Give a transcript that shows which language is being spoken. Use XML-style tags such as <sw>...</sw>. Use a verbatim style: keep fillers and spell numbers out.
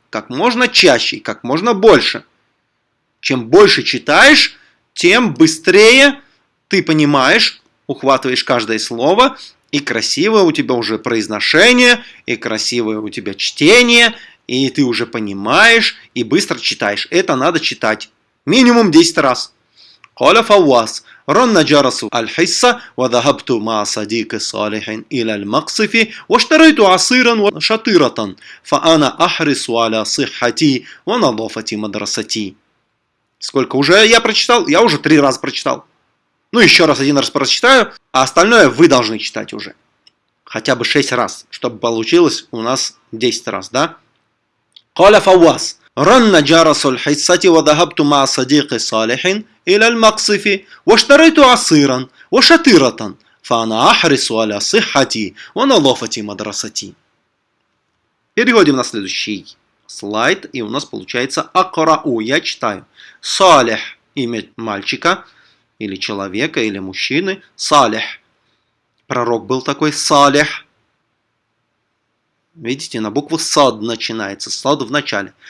<ru>как можно чаще и как можно больше. Чем больше читаешь, тем быстрее ты понимаешь, ухватываешь каждое слово, и красивое у тебя уже произношение, и красивое у тебя чтение, и ты уже понимаешь, и быстро читаешь. Это надо читать минимум десять раз.</ru> <ar>قال فواز رن جرس الحصة وذهبت مع صديق صالح إلى المقصف واشتريت عصيرا وشطيرة فأنا أحرص على صحتي ونظافة مدرستي.</ar> <ru>Сколько уже я прочитал? Я уже три раза прочитал. Ну, еще раз, один раз прочитаю, а остальное вы должны читать уже. Хотя бы шесть раз, чтобы получилось у нас десять раз, да?</ru> <ar>قال فواز رن جرس الحصة وذهبت مع صديق صالح إلى المقصف واشتريت عصيرا وشطيرة فأنا أحرص على صحتي ونظافة مدرستي.</ar> <ru>Переходим на следующий слайд, и у нас получается أقرأ, я читаю. Салих — имя мальчика, или человека, или мужчины. Салих. Пророк был такой Салих. Видите, на букву сад начинается, сад в начале.</ru>